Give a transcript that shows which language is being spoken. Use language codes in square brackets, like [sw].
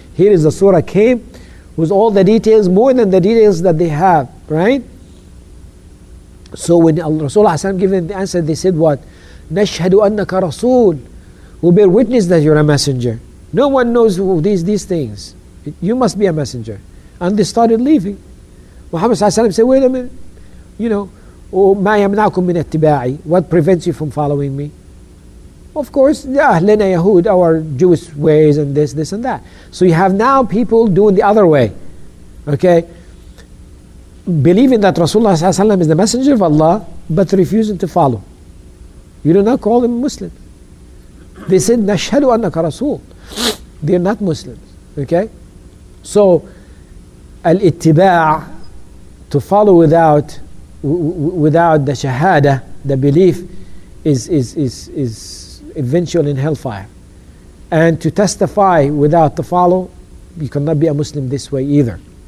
[en] Here is the surah came with all the details, more than the details that they have, right? So when Rasulullah sallallahu alaihi wasallam gave them the answer, they said what? [ar] Nashhadu annaka rasul. [en] We bear witness that you're a messenger. No one knows who these things. You must be a messenger. And they started leaving. Muhammad sallallahu alaihi wasallam said, wait a minute. You know, [ar] ما يمنعكم من اتباعي? [en] What prevents you from following me? Of course, [ar] لَنَا يَهُود, [en] our Jewish ways and this, this and that. So you have now people doing the other way. Okay? Believing that Rasulullah sallallahu alaihi wasallam is the messenger of Allah, but refusing to follow. You do not call them Muslim. They said, [ar] نَشْهَدُ أَنَّكَ رَسُولُ. [en] They're not Muslims. Okay? So, الْإِتِّبَاعِ, to follow without the shahada, the belief, is eventual in hellfire. And to testify without the follow, you cannot be a Muslim this way either.